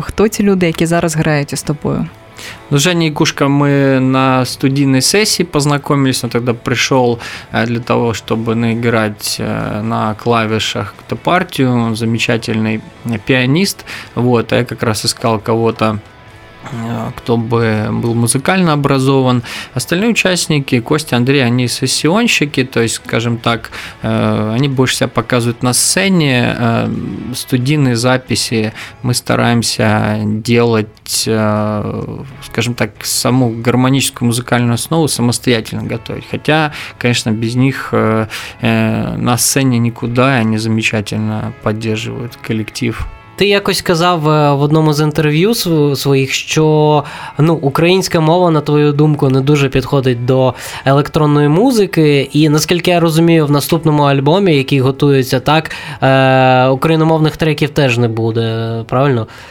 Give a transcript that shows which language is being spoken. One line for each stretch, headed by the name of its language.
Ukrainian: Хто ті люди, які зараз грають із тобою? Ну, Женя Якушко, ми на студійній сесії познайомились, він тоді прийшов для того, щоб награти на клавішах ту партію, замечательний піаніст. Вот, а я якраз іскав
Russian: кого-то кто бы был музыкально образован. Остальные участники, Костя, Андрей, они сессионщики, то есть, скажем так, они больше себя показывают на сцене. Студийные записи мы стараемся делать, скажем так, саму гармоническую музыкальную основу самостоятельно готовить. Хотя, конечно, без них на сцене никуда, они замечательно поддерживают коллектив.
Ukrainian: Ти якось казав в одному з інтерв'ю своїх, що ну, українська мова, на твою думку, не дуже підходить до електронної музики. І наскільки я розумію, в наступному альбомі, який готується так, україномовних треків теж не буде, правильно?